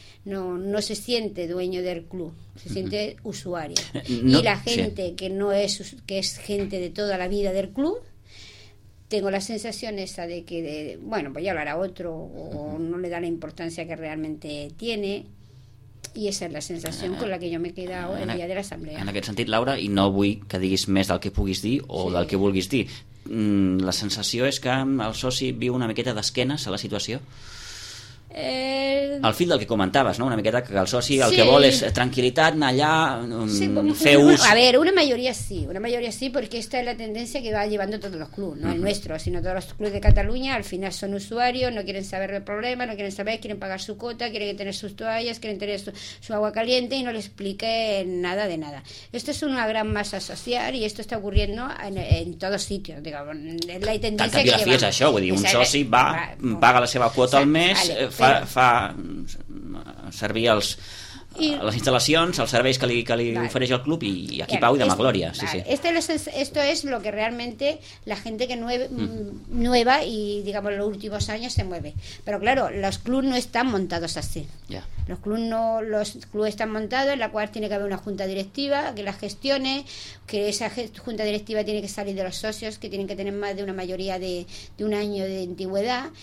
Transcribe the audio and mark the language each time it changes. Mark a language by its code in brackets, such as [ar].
[es] No se siente dueño del club, se siente usuario. No, y la gente que es gente de toda la vida del club, tengo la sensación esa de que, bueno, pues ya lo hará otro, o no le da la importancia que realmente tiene, y esa es la sensación con la que yo me he quedado el día de la asamblea. [ca] En aquest sentit, Laura, i no vull que diguis més del que puguis dir o del que vulguis dir, la sensació és que el soci viu una miqueta d'esquenes a la situació? El fil del que comentaves, no? Una miqueta que el soci el que vol és tranquil·litat, anar allà, fer ús... [es] A ver, una mayoría sí, porque esta es la tendencia que va llevando todos los clubs, no el nuestro, sino todos los clubs de Cataluña, al final son usuarios, no quieren saber el problema, no quieren saber, quieren pagar su cuota, quieren tener sus toallas, quieren tener su agua caliente y no les explique nada de nada. Esto es una gran masa social y esto está ocurriendo en todos sitios, digamos, es la tendencia que lleva... [ca] Tant que la fi és això, vull dir, un soci va, paga la seva quota al mes... fa servir les instal·lacions, els serveis que li ofereix el club i aquí pau i demà glòria. Sí, sí. [es] Esto es lo que realmente la gente que nueva y digamos los últimos años se mueve. Pero claro, los clubs no están montados así. Los clubs están montados en la cual tiene que haber una junta directiva que las gestione, que esa junta directiva tiene que salir de los socios, que tienen que tener más de una mayoría de un año de antigüedad.